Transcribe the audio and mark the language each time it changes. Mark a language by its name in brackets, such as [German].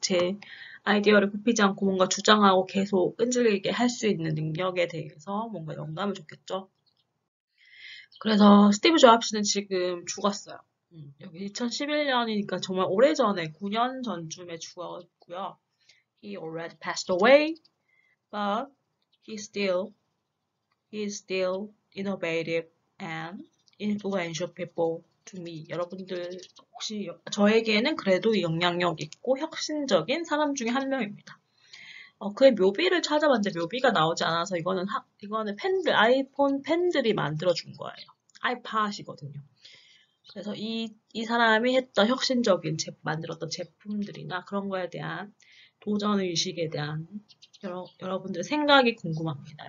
[Korean] 제 아이디어를 굽히지 않고 뭔가 주장하고 계속 끈질기게 할수 있는 능력에 대해서 뭔가 영감을 줬겠죠. 그래서 스티브 잡스는 지금 죽었어요. 여기 2011년이니까 정말 오래전에 9년 전쯤에 죽었고요. [English] He already passed away, but he's still innovative and influential people to me. [Korean] 여러분들 혹시 저에게는 그래도 영향력 있고 혁신적인 사람 중에 한 명입니다. 그의 묘비를 찾아봤는데 묘비가 나오지 않아서 이거는 팬들 아이폰 팬들이 만들어준 거예요. 아이팟이거든요. 그래서 이 사람이 했던 혁신적인 만들었던 제품들이나 그런 거에 대한 도전 의식에 대한 여러분들 생각이 궁금합니다.